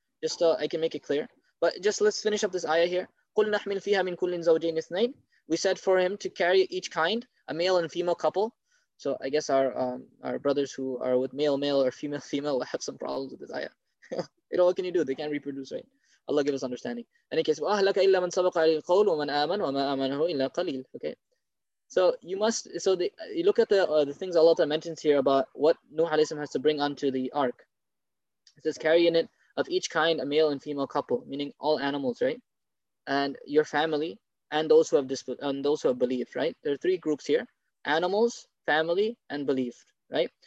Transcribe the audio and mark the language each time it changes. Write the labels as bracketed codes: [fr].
[en] Just so I can make it clear. But just let's finish up this ayah here. [ar] قُلْ نَحْمِلْ فِيهَا مِنْ كُلِّنْ زَوْجَيْنِ اثْنَيْنِ. [en] We said for him to carry each kind, a male and female couple. So I guess our brothers who are with male or female will have some problems with this ayah. You know, what can you do? They can't reproduce, right? Allah give us understanding. In any case, [ar] وَأَهْلَكَ إِلَّا مَنْ سَبَقَ عَلِي الْقَوْلُ وَمَنْ آمَنْ وَمَا آمَنَهُ إِلَّا قَلِيلٌ. [en] Okay. So you must. So you look at the things Allah mentions here about what Nuh alayhi salam has to bring onto the ark. It says carrying it of each kind, a male and female couple, meaning all animals, right? And your family. And those who have believed, right? There are three groups here: animals, family, and believed, right?